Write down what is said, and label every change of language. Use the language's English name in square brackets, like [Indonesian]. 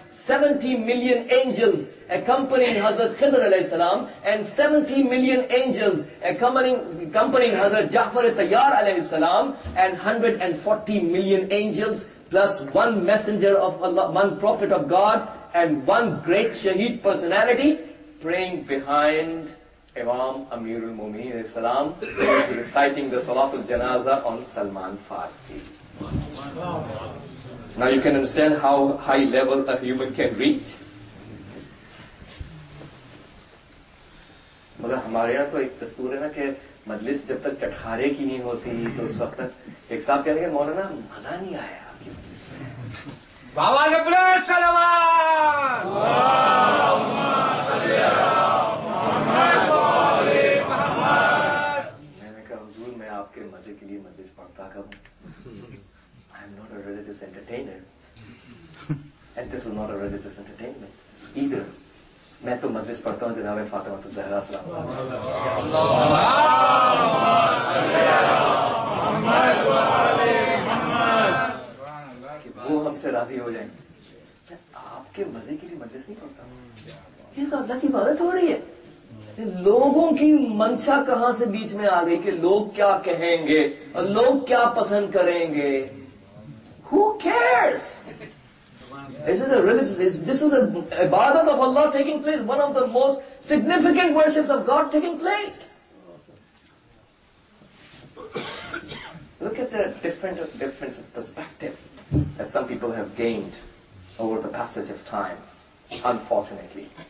[English] 70 million angels accompanying Hazrat Khidr alayhi salam and 70 million angels accompanying Hazrat Ja'far al-Tayyar alayhi salam and 140 million angels plus one messenger of Allah, one prophet of God and one great shaheed personality praying behind Imam Amirul Mumineen alayhi salam who is reciting the Salatul Janaza on Salman Farsi. Now you can understand how high level a human can reach. [Hindi] मतलब हमारे यहाँ तो एक दस्तूर है ना कि मजलिस जब तक चटखारे की नहीं होती तो उस वक्त तक एक साहब कह रहे हैं मौलाना मजा नहीं आया आपकी मजलिस में। बाबा के बुलाए सलामत। मैंने कहा हुजूर मैं आपके मजे के लिए मजलिस पढ़ता कब? [English] I'm not a religious entertainer. And this is not a religious entertainment either. [Hindi] Main to majlis padhta hoon janab Fatima to Zahra salam. Allahu Akbar. Allahu Akbar. Muhammad wa ali Muhammad. Ki wo humse razi ho jayenge. Main aapke maze ke liye majlis nahi padhta. Ye to Allah ki ibadat ho rahi hai. लोगों की मंशा कहां से बीच में आ गई कि लोग क्या कहेंगे और लोग क्या पसंद करेंगे? [English] Who cares? This is a ibadat of Allah taking place, one of the most significant worships of God taking place. Look at the difference of perspective that some people have gained over the passage of time, unfortunately.